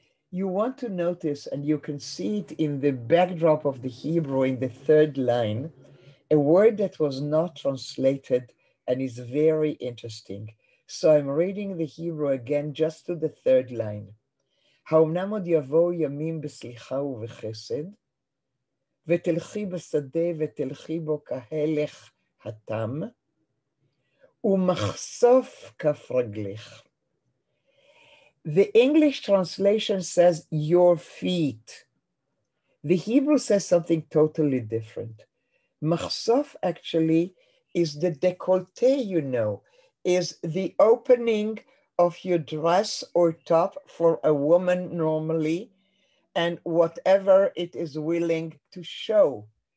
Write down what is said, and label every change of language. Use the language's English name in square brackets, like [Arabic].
[English] You want to notice, and you can see it in the backdrop of the Hebrew in the third line, a word that was not translated and is very interesting. So I'm reading the Hebrew again, just to the third line. [Hebrew] Ha'omnam od yavo yamim b'slicha u'v'chesed, ותלכי בשדה ותלכי בו כהלך התם, ומחשוף כף רגלך. [English] The English translation says, your feet. The Hebrew says something totally different. Machsof actually is the décolleté, you know. is the opening of your dress or top for a woman normally, and whatever it is willing to show.